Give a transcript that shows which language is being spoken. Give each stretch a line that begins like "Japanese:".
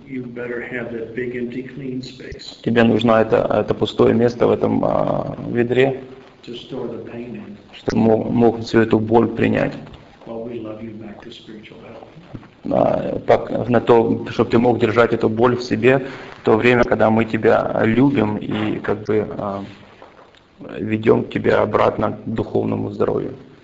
English: you better have that big empty clean space,
Russian: тебе нужно это пустое место в этом ведре,
English: to store the pain in,
Russian: чтобы мог всю эту боль принять.
English: Well, we love you back to spiritual health.
Russian: На то, чтобы ты мог держать эту боль в себе в то время, когда мы тебя любим и как бы... ведем тебя обратно к духовному здоровью.